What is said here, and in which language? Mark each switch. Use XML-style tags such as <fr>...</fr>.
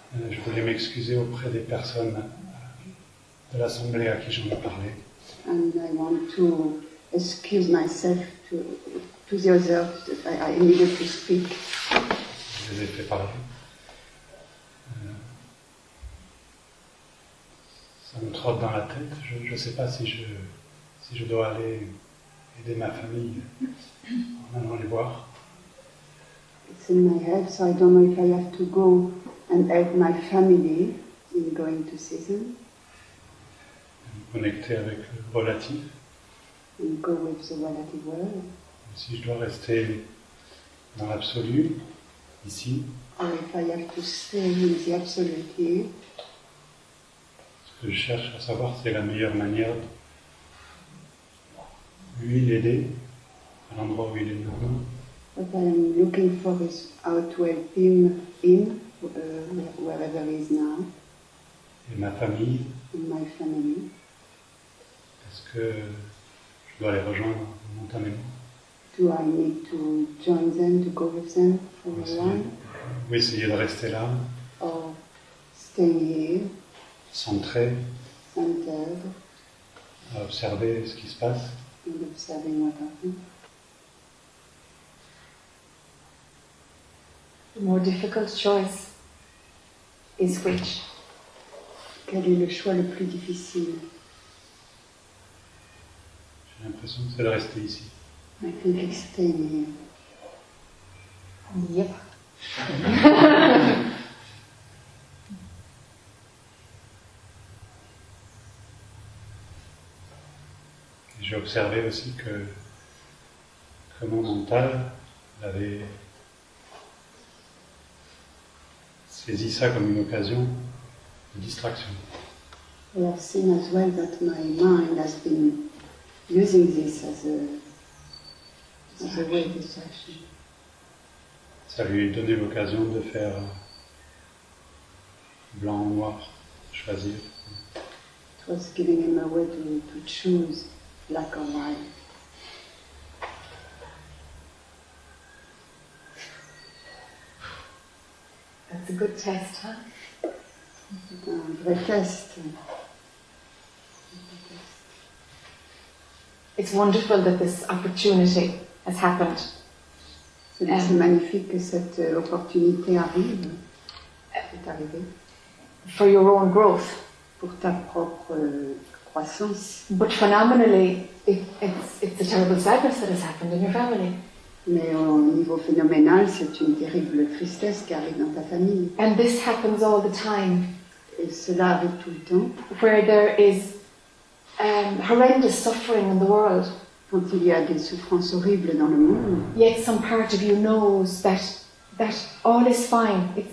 <fr>Je voulais m'excuser auprès des personnes de l'assemblée à qui j'en ai parlé.</fr> <en>And I want to excuse myself to the others. I needed to speak.</en> <fr>Je les ai fait parler. Ça me trotte dans la tête. Je ne sais pas si je dois aller aider ma famille en allant les voir.</fr> <en>It's in my head, so I don't know if I have to go and help my family in going to see them.</en> <fr>Connecter avec le relatif.</fr> <en>And go with the relative world.</en> <fr>Et si je dois rester dans l'absolu, ici.</fr> <en>Or if I have to stay in the absolute here.</en> <fr>Ce que je cherche à savoir, c'est la meilleure manière de lui l'aider à l'endroit où il est maintenant.</fr> <en>What I am looking for is how to help him wherever he is now.</en> <fr>Et ma famille.</fr> <en>And my family.</en> <fr>Est-ce que je dois les rejoindre momentanément?</fr> <en>Do I need to join them, to go with them for a while?</en> <fr>Ou essayer de rester là.</fr> <en>Or staying here.</en> <fr>Centré.</fr> <en>Centered.</en> <fr>À observer ce qui se passe.</fr> <en>And observing what happens. The more difficult choice is which?</en> <fr>Quel est le choix le plus difficile? J'ai l'impression que c'est de rester ici.</fr> <en>I think it's staying here. Yep.</en> <fr>J'ai observé aussi que mon mental avait saisis ça comme une occasion de distraction.</fr> <en>I have seen as well that my mind has been using this as a way of distraction.</en> <fr>Ça lui a donné l'occasion de faire blanc ou noir, choisir.</fr> <en>It was giving him a way to choose black or white. That's a good test, huh? A great test. It's wonderful that this opportunity has happened.</en> <fr>C'est magnifique que cette opportunité arrive. Est arrivée.</fr> <en>For your own growth.</en> <fr>Pour ta propre croissance.</fr> <en>But phenomenally, it's a terrible sadness that has happened in your family.</en> <fr>Mais au niveau phénoménal, c'est une terrible tristesse qui arrive dans ta famille.</fr> <en>And this happens all the time.</en> <fr>Et cela arrive tout le temps.</fr> <en>Where there is horrendous suffering in the world.</en> <fr>Quand il y a des souffrances horribles dans le monde.</fr> <en>Yet some part of you knows that all is fine.</en>